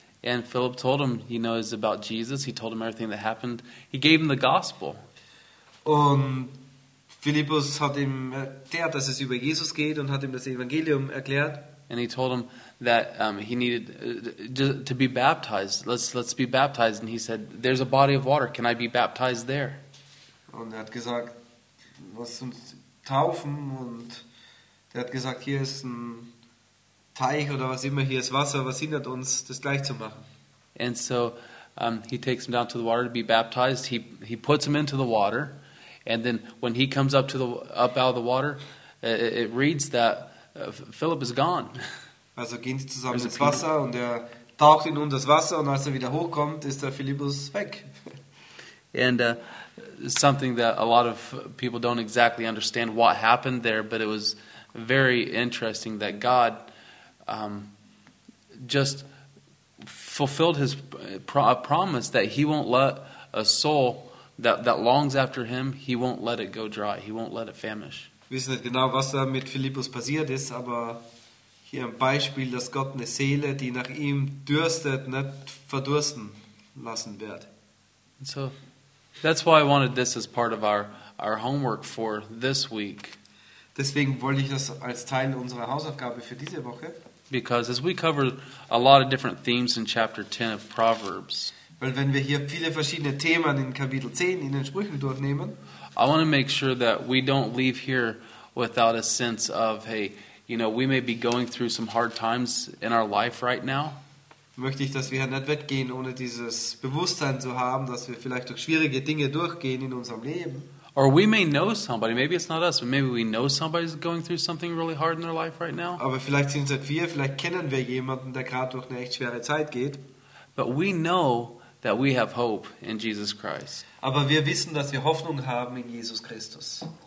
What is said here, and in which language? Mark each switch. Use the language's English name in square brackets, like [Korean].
[English] And Philip told him, you know, it's about Jesus. He told him everything that happened. He gave him the gospel. [German] Und Philippus hat ihm erklärt, dass es über Jesus geht, und hat ihm das Evangelium erklärt. [English] And he told him that he needed to be baptized. Let's be baptized. And he said, there's a body of water. Can I be baptized there? [German] Und hat gesagt, lass uns taufen. Und hat gesagt, hier ist ein Teich oder was immer, hier ist Wasser, was hindert uns, das gleich zu machen? [English] And so he takes him down to the water to be baptized. He puts him into the water, and then when he comes up to the up out of the water, it reads that Philip is gone. [German] Also gehen sie zusammen ins Wasser und taucht ihn unter das Wasser, und als wieder hochkommt, ist der Philippus weg. [English] And something that a lot of people don't exactly understand what happened there, but it was very interesting that God just fulfilled his a promise that he won't let a soul that longs after him, he won't let it go dry, he won't let it famish. [German] Wir wissen nicht genau, was da mit Philippus passiert ist, aber hier ein Beispiel, dass Gott eine Seele, die nach ihm dürstet, nicht verdursten lassen wird. [English] And so that's why I wanted this as part of our homework for this week. [German] Deswegen wollte ich das als Teil unserer Hausaufgabe für diese Woche. [English] Because as we cover a lot of different themes in chapter 10 of Proverbs. [German] Weil wenn wir hier viele verschiedene Themen in Kapitel 10 in den Sprüchen durchnehmen. [English] I want to make sure that we don't leave here without a sense of, hey, you know, we may be going through some hard times in our life right now. [German] Möchte ich, dass wir hier nicht weggehen, ohne dieses Bewusstsein zu haben, dass wir vielleicht durch schwierige Dinge durchgehen in unserem Leben. [English] Or we may know somebody, maybe it's not us, but maybe we know somebody's going through something really hard in their life right now. [German] Aber vielleicht sind es wir, vielleicht kennen wir jemanden, der gerade durch eine echt schwere Zeit geht. [English] But we know that we have hope in Jesus Christ. [German] Aber wir wissen, dass wir Hoffnung haben in Jesus Christus.